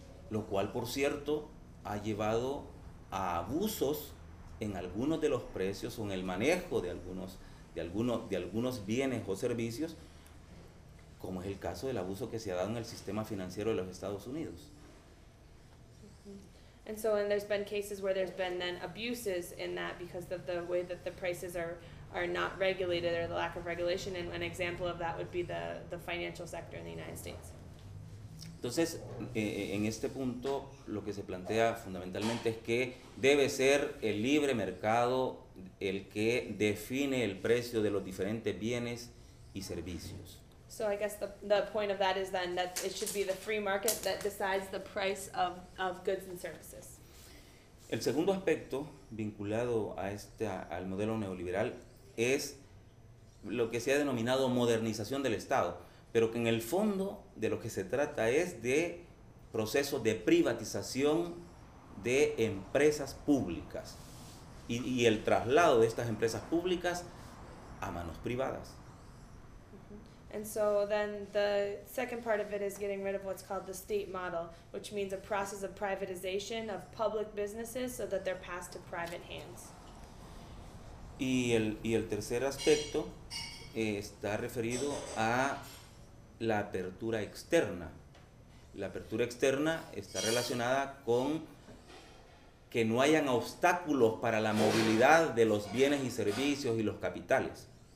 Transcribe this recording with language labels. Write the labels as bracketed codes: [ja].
[es] Lo cual, por cierto, ha llevado a abusos en algunos de los precios o en el manejo de algunos bienes o servicios, como es el caso del abuso que se ha dado en el sistema financiero de los Estados Unidos. [en] And so, and there's been cases where there's been then abuses in that because of the way that the prices are not regulated or the lack of regulation. And an example of that would be the financial sector in the United States. [es] Entonces, en este punto, lo que se plantea fundamentalmente es que debe ser el libre mercado el que define el precio de los diferentes bienes y servicios. [en] So I guess the point of that is then that it should be the free market that decides the price of goods and services. [es] El segundo aspecto vinculado al modelo neoliberal es lo que se ha denominado modernización del Estado. Pero que en el fondo de lo que se trata es de procesos de privatización de empresas públicas y el traslado de estas empresas públicas a manos privadas. [en] And so then the second part of it is getting rid of what's called the state model, which means a process of privatization of public businesses so that they're passed to private hands. [es] Y el tercer aspecto está referido a la apertura externa. La apertura externa está relacionada con que no hayan obstáculos para la movilidad de los bienes y servicios y los capitales.